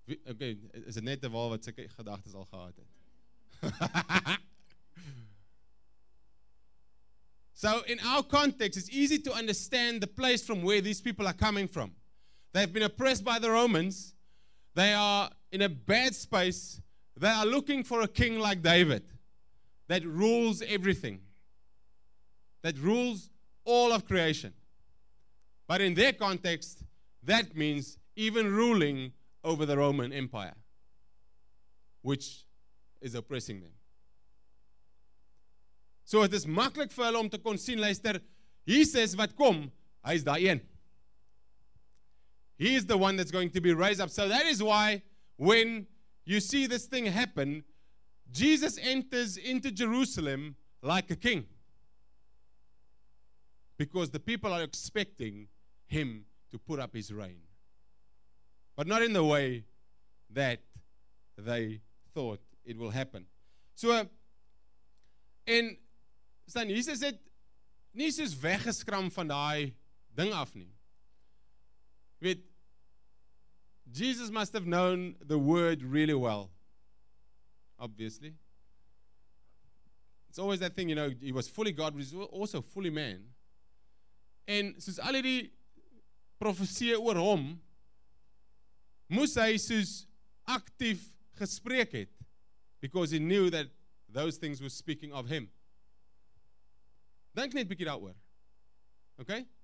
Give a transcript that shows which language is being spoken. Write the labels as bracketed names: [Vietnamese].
[Afrikaans] Okay, is dit net 'n waal wat sulke gedagtes al gehad het? [English] So in our context, it's easy to understand the place from where these people are coming from. They've been oppressed by the Romans. They are in a bad space. They are looking for a king like David that rules everything, that rules all of creation. But in their context, that means even ruling over the Roman Empire, which is oppressing them. So it is [Afrikaans] makkelijk vir hulle om te kon sien, luister, Jesus wat kom, hy is daai een. [English] He is the one that's going to be raised up. So that is why when you see this thing happen, Jesus enters into Jerusalem like a king. Because the people are expecting him to put up his reign. But not in the way that they thought it will happen. [Afrikaans] So, en staan, Jesus het nie soos weggeskram van daai ding af nie. [English] Weet, Jesus must have known the word really well. Obviously. It's always that thing, you know, he was fully God, but he was also fully man. [Afrikaans] En soos al die profeseë oor hom, moes hy soos aktief gespreek het, [English] because he knew that those things were speaking of him. [Afrikaans] Dink net bietjie daaroor. [English] Okay?